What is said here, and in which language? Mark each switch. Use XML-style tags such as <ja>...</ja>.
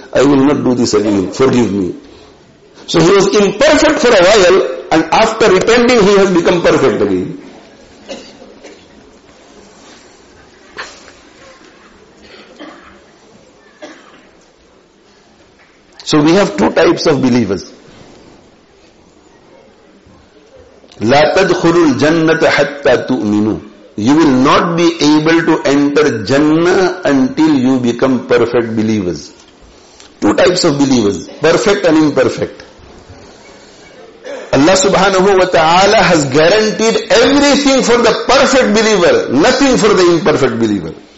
<en>I will not do this again. Forgive me. So he was imperfect for a while and after repenting he has become perfect again. So we have two types of believers.</en> <ar>لا تدخل الجنة حتى تؤمنوا.</ar> <en>You will not be able to enter Jannah until you become perfect believers. Two types of believers, perfect and imperfect. Allah subhanahu wa ta'ala has guaranteed everything for the perfect believer, nothing for the imperfect believer.</en>